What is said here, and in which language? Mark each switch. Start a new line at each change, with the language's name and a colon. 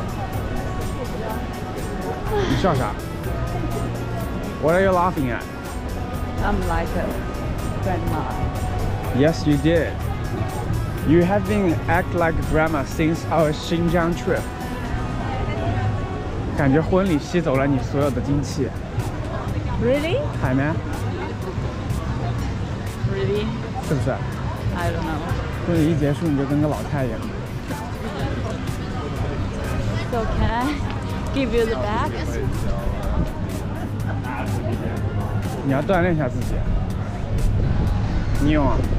English: You
Chinese: 笑啥？
English: What are you laughing at? I'm like a grandma. Yes, you did. You have been act like grandma since our Xinjiang trip.
Chinese: 感觉婚礼吸走了你所有的精气。
English: Really?
Chinese: 海绵。
English: Really?
Chinese: 是不是？
English: I don't know.
Chinese: 婚礼一结束你就跟个老太爷了。
English: So can I give you the bags?
Chinese: 你要锻炼一下自己，你有啊？